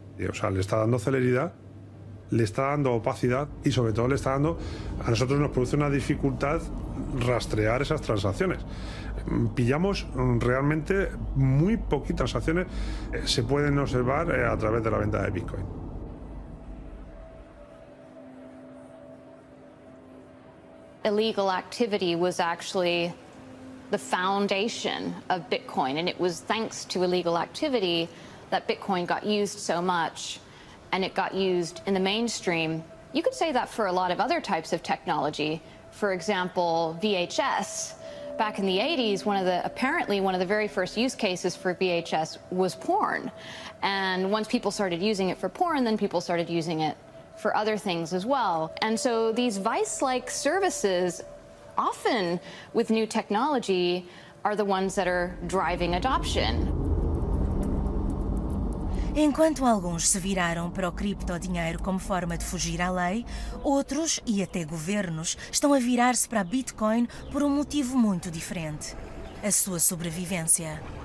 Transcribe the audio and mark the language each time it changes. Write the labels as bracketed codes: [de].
[es] O sea, le está dando celeridad, le está dando opacidad y sobre todo le está dando... A nosotros nos produce una dificultad rastrear esas transacciones. Pillamos realmente muy poquitas transacciones que se pueden observar a través de la venta de bitcoin. [en] Illegal activity was actually the foundation of Bitcoin, and it was thanks to illegal activity that Bitcoin got used so much, and it got used in the mainstream. You could say that for a lot of other types of technology. For example, VHS. Back in the 80s, one of the very first use cases for VHS was porn. And once people started using it for porn, then people started using it for other things as well. And so these vice-like services, often with new technology, are the ones that are driving adoption. [pt] Enquanto alguns se viraram para o criptodinheiro como forma de fugir à lei, outros, e até governos, estão a virar-se para a Bitcoin por um motivo muito diferente: a sua sobrevivência.